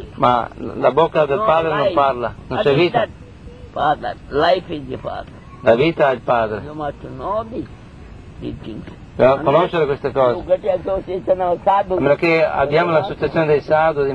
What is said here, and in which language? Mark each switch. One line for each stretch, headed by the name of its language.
Italian: Ma la bocca del padre non parla, non c'è vita.
English: Father, life is the father.
Italian: La vita è il padre.
English: You must know this.
Italian: Conoscere queste cose, a meno che abbiamo l'associazione dei sadhu, di